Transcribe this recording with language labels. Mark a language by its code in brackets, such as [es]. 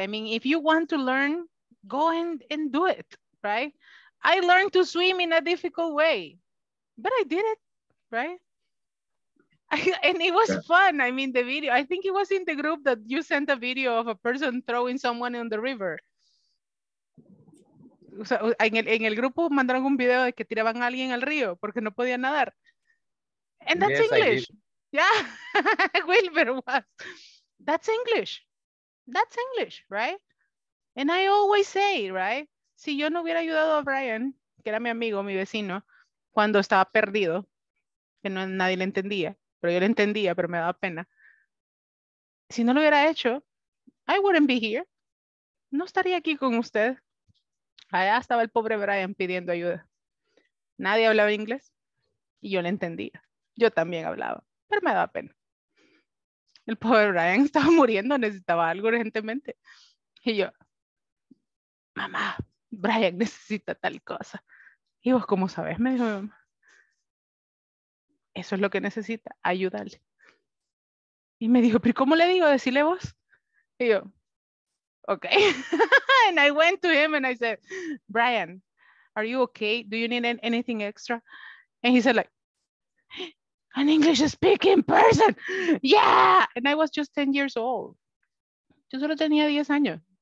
[en] I mean, if you want to learn, go and do it, right? I learned to swim in a difficult way, but I did it, right? And it was fun. I mean, the video, I think it was in the group that you sent a video of a person throwing someone in the river. [es] O sea, en el grupo mandaron un video de que tiraban a alguien al río porque no podía nadar. [en] And that's English. Yeah, Wilbur was. That's English. That's English, right? And I always say, right? [es] Si yo no hubiera ayudado a Brian, que era mi amigo, mi vecino, cuando estaba perdido, que no, nadie le entendía. Pero yo lo entendía, pero me daba pena. Si no lo hubiera hecho, [en] I wouldn't be here. [es] No estaría aquí con usted. Allá estaba el pobre Brian pidiendo ayuda. Nadie hablaba inglés y yo lo entendía. Yo también hablaba, pero me daba pena. El pobre Brian estaba muriendo, necesitaba algo urgentemente. Y yo, mamá, Brian necesita tal cosa. Y vos, ¿cómo sabes? Me dijo mi mamá. Eso es lo que necesita, ayudarle. Y me dijo, ¿pero cómo le digo? Decirle vos. [en] He go, okay. And I went to him and I said, Brian, are you okay? Do you need anything extra? And he said, like, an English speaking person. Yeah. And I was just 10 years old. [es] Yo solo tenía 10 años.